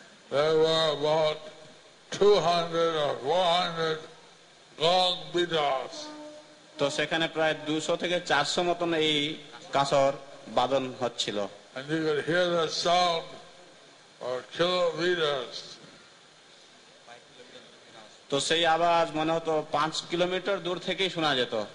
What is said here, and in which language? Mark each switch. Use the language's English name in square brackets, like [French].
[English] There were about 200 or 400 gong bidas. [Bangla] তো সেখানে প্রায় 200 থেকে 400 মতন এই কাসর বাদন হচ্ছিল। [English] And you could hear the sound for kilometers. [Bangla] তো সেই আওয়াজ মনে হতো 5 কিলোমিটার দূর থেকেই শোনা যেত।